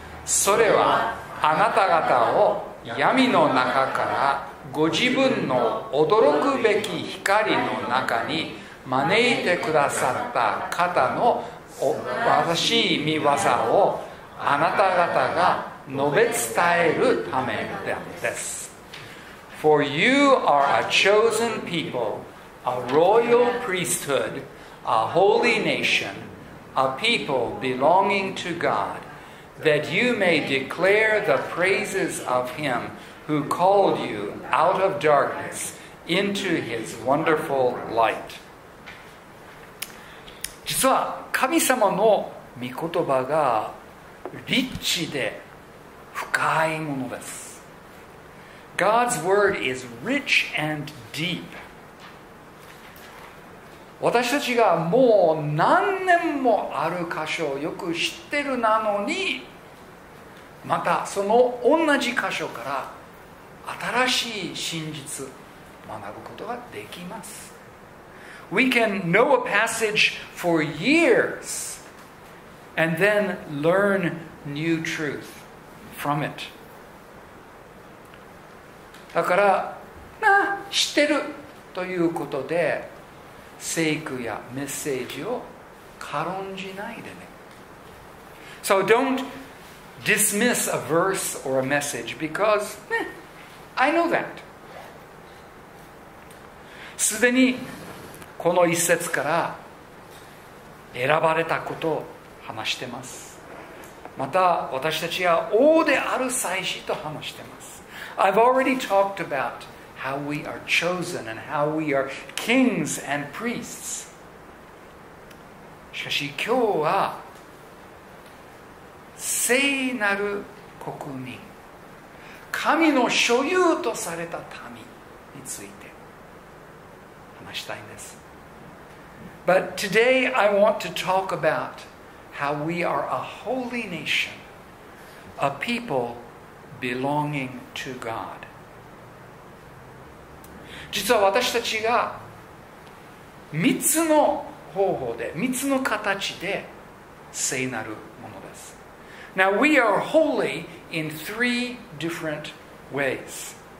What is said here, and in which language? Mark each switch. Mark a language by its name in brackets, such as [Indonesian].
[Japanese] それはあなた方を闇の中からご自分の驚くべき光の中に招いてくださった方の素晴らしい御業をあなた方が述べ伝えるためです。 [English] For you are a chosen people, a royal priesthood, a holy nation, a people belonging to God, that you may declare the praises of him who called you out of darkness into his wonderful light. [Japanese] 実は神様の御言葉がリッチで深いものです。 [English] God's word is rich and deep. [Japanese] 私たちがもう何年もある箇所をよく知ってるなのに、またその同じ箇所から新しい真実を学ぶことができます。 [English] We can know a passage for years and then learn new truth from it. [Japanese] だから、なあ、知ってるということで、聖句やメッセージを軽んじないでね。 [English] So don't dismiss a verse or a message because、I know that. [Japanese] すでにこの一節から選ばれたことを話してます。また私たちは王である祭司と話してます。 [English] I've already talked about how we are chosen and how we are kings and priests. [Japanese] しかし今日は聖なる国民、神の所有とされた民について話したいんです。 [English] But today I want to talk about how we are a holy nation, a people belonging to God. [Japanese] 実は私たちが三つの方法で、三つの形で聖なるものです。 [English] Now we are holy in three different ways.